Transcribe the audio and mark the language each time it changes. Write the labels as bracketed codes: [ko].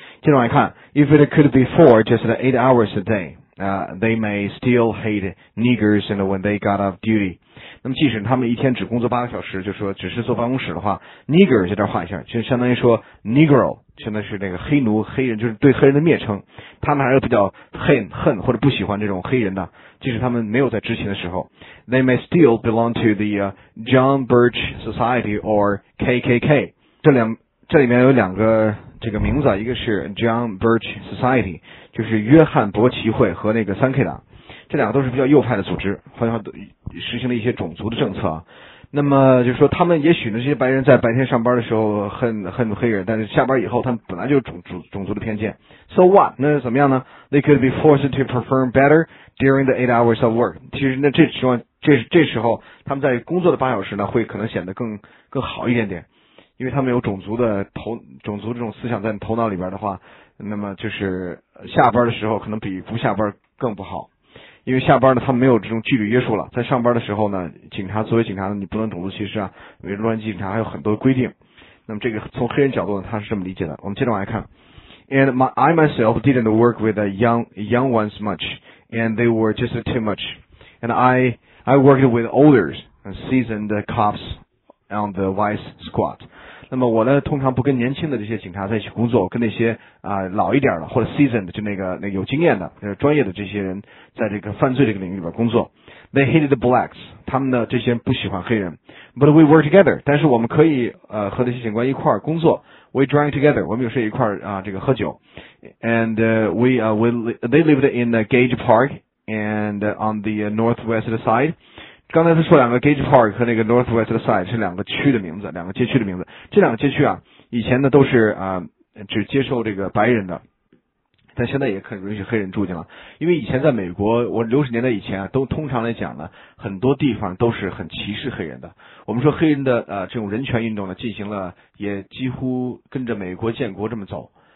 [zh] 现在来看 [en] ，if it could be four, just eight hours a day, they may still hate niggers and when they got off duty. [zh] 那么即使他们一天只工作八个小时，就说只是坐办公室的话 ，nigger 在这画一下，就相当于说 negro， 现在是那个黑奴、黑人，就是对黑人的蔑称。他们还是比较恨或者不喜欢这种黑人的，即使他们没有在执勤的时候 ， [en] they may still belong to the John Birch Society or KKK。 [zh] 这里面有两个这个名字，一个是 John Birch Society， 就是约翰伯奇会和那个 3K 党，这两个都是比较右派的组织，好像实行了一些种族的政策。那么就是说他们也许呢，这些白人在白天上班的时候恨黑人，但是下班以后他们本来就种族的偏见。 [en] So what? [zh] 那怎么样呢？ [en] They could be forced to perform better during the 8 hours of work. [zh] 其实那这时候他们在工作的8小时呢，会可能显得更好一点点，因为他们有种族这种思想在头脑里边的话，那么就是下班的时候可能比不下班更不好。因为下班呢他们没有这种纪律约束了，在上班的时候呢，警察作为警察呢，你不能种族歧视啊，因为洛杉矶警察还有很多规定。那么这个从黑人角度呢，他是这么理解的。我们接着往下看。 [en] And I myself didn't work with the young ones much, and they were just too much. And I worked with older seasoned copson the vice squad. [zh] 那么我呢通常不跟年轻的这些警察在一起工作，跟那些老一点的或者 seasoned 就那个有经验的专业的这些人在这个犯罪这个领域里边工作。 [en] They hated the blacks. [zh] 他们呢这些人不喜欢黑人。 [en] But we work together. [zh] 但是我们可以和这些警官一块工作。 [en] We drank together. [zh] 我们有时一块这个喝酒。 [en] And they lived in the Gage Park and on the northwest side. [zh] 刚才他说两个 Gage Park 和那个 Northwest Side 是两个区的名字，两个街区的名字。这两个街区啊，以前呢都是只接受这个白人的，但现在也可以允许黑人住进了。因为以前在美国，我60年代以前啊，都通常来讲呢，很多地方都是很歧视黑人的。我们说黑人的这种人权运动呢，进行了也几乎跟着美国建国这么走。